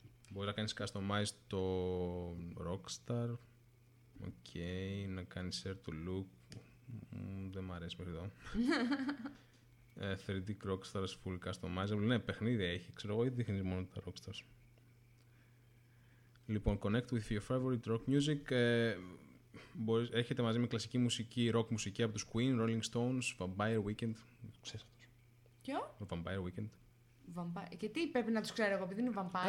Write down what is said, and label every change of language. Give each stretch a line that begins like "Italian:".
Greek: Μπορεί να κάνεις customize το Rockstar. Okay, να κάνεις share to look. Δεν μ' αρέσει μέχρι εδώ. 3D Rockstars full customizable. Ναι, παιχνίδι έχει. Ξέρω εγώ, ή δείχνεις μόνο τα Rockstars.
English: Λοιπόν, connect with your favorite rock music.
Greek: Έχετε μαζί με κλασική μουσική, rock μουσική από τους Queen, Rolling Stones, Vampire Weekend. Ξέρεις. Ποιο? Vampire Weekend. Και τι πρέπει να τους ξέρω εγώ, επειδή είναι vampire.